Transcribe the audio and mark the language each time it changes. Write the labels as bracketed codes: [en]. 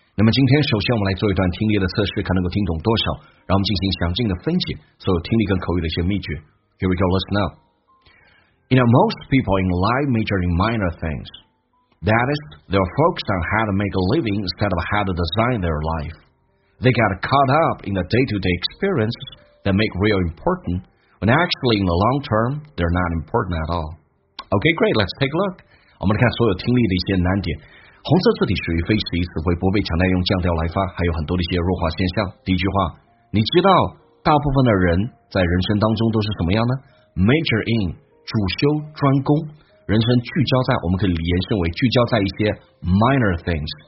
[zh] 那么今天首先我们来做一段听力的测试，看能够听懂多少，让我们进行详尽的分解所有听力跟口语的一些秘诀。 [en] Here we go, let's know. You know, most people in life major in minor things. That is, they're focused on how to make a living instead of how to design their life. They get caught up in the day-to-day experiences that make real important. And actually, in the long term, they're not important at all. Okay, great, let's take a look. [zh] 我们来看所有听力的一些难点。红色字体属于非习词汇，不被强调用降调来发，还有很多的一些弱化现象。第一句话，你知道大部分的人在人生当中都是什么样呢？ [en] Major in, [zh] 主修专攻，人生聚焦在，我们可以延伸为聚焦在一些 [en] minor things.